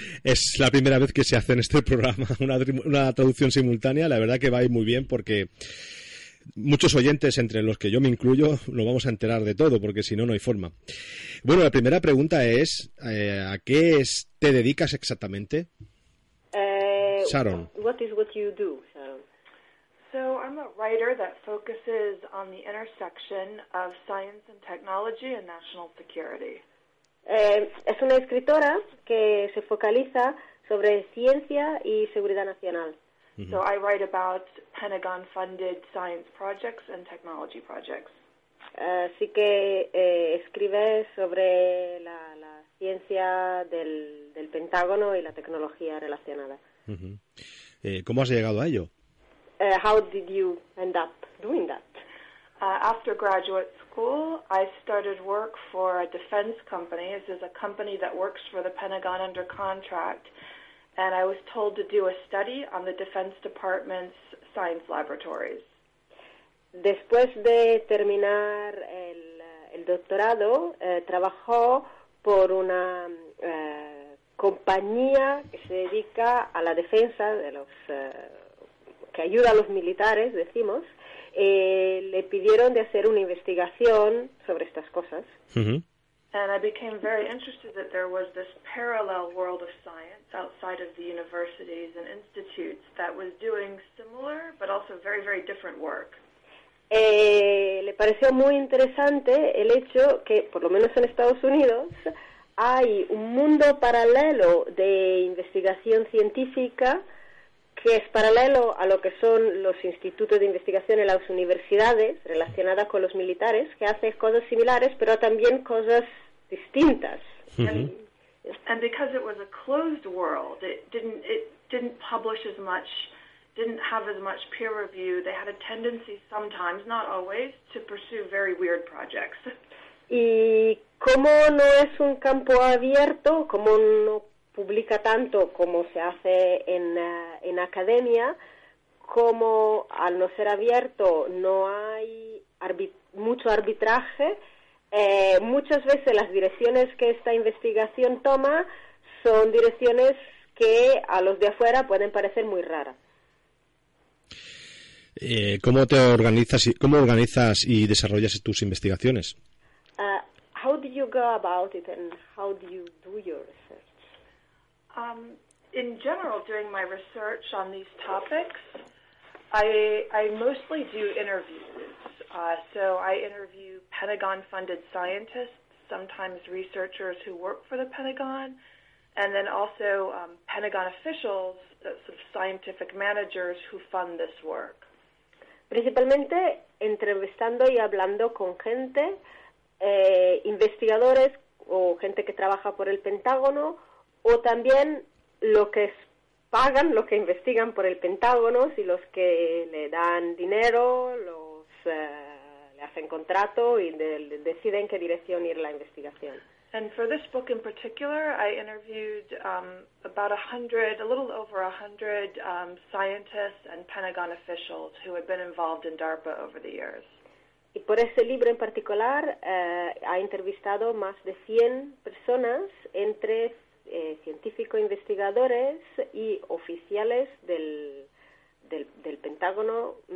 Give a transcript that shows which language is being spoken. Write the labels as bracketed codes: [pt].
[es] Es la primera vez que se hace en este programa una traducción simultánea. La verdad que va a ir muy bien porque muchos oyentes, entre los que yo me incluyo, nos vamos a enterar de todo, porque si no, no hay forma. Bueno, la primera pregunta es, ¿a qué te dedicas exactamente? Sharon. [en] What is what you do, Sharon? So I'm a writer that focuses on the intersection of science and technology and national security. [es] Es una escritora que se focaliza sobre ciencia y seguridad nacional. Mm-hmm. [en] So I write about Pentagon-funded science projects and technology projects. [es] Así que escribe sobre la ciencia del Pentágono y la tecnología relacionada. Uh-huh. ¿Cómo has llegado a ello? [en] How did you end up doing that? After graduate school, I started work for a defense company. This is a company that works for the Pentagon under contract. And I was told to do a study on the Defense Department's science laboratories. [es] Después de terminar el doctorado, trabajó por una compañía que se dedica a la defensa de los que ayuda a los militares, decimos, le pidieron de hacer una investigación sobre estas cosas. Uh-huh. [en] And I became very interested that there was this parallel world of science outside of the universities and institutes that was doing similar but also very, very different work. [es] Le pareció muy interesante el hecho que, por lo menos en Estados Unidos, hay un mundo paralelo de investigación científica que es paralelo a lo que son los institutos de investigación en las universidades relacionadas con los militares, que hace cosas similares, pero también cosas distintas. Mm-hmm. [en] And because it was a closed world, it didn't publish as much, didn't have as much peer review, they had a tendency sometimes, not always, to pursue very weird projects. [es] Y como no es un campo abierto, como no publica tanto como se hace en academia, como al no ser abierto no hay mucho arbitraje, muchas veces las direcciones que esta investigación toma son direcciones que a los de afuera pueden parecer muy raras. ¿Cómo te organizas y, cómo organizas y desarrollas tus investigaciones? [en] How do you go about it and how do you do your research? In general, doing my research on these topics, I mostly do interviews. So I interview Pentagon-funded scientists, sometimes researchers who work for the Pentagon, and then also Pentagon officials, sort of scientific managers who fund this work. [es] Principalmente entrevistando y hablando con gente, investigadores o gente que trabaja por el Pentágono o también lo que pagan, lo que investigan por el Pentágono, si los que le dan dinero, los le hacen contrato y deciden qué dirección ir la investigación. [en] And for this book in particular, I interviewed a little over 100 scientists and Pentagon officials who had been involved in DARPA over the years. [es] Y por ese libro en particular ha entrevistado más de 100 personas entre científicos, investigadores y oficiales del Pentágono